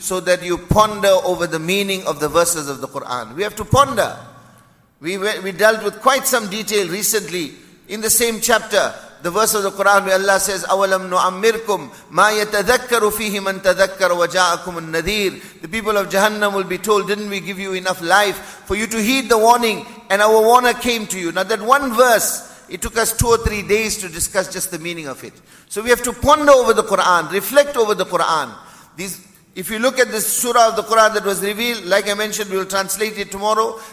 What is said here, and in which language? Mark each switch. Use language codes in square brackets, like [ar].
[en] So that you ponder over the meaning of the verses of the Quran. We have to ponder. We dealt with quite some detail recently in the same chapter. The verse of the Quran where Allah says, [ar] أَوَلَمْ نُعَمِّرْكُمْ مَا يَتَذَكَّرُ فِيهِ مَنْ تَذَكَّرُ وَجَاءَكُمُ النَّذِيرُ. [en] The people of Jahannam will be told, didn't we give you enough life for you to heed the warning, and our warner came to you. Now that one verse, it took us 2 or 3 days to discuss just the meaning of it. So we have to ponder over the Quran, reflect over the Quran. If you look at this surah of the Quran that was revealed, like I mentioned, we will translate it tomorrow.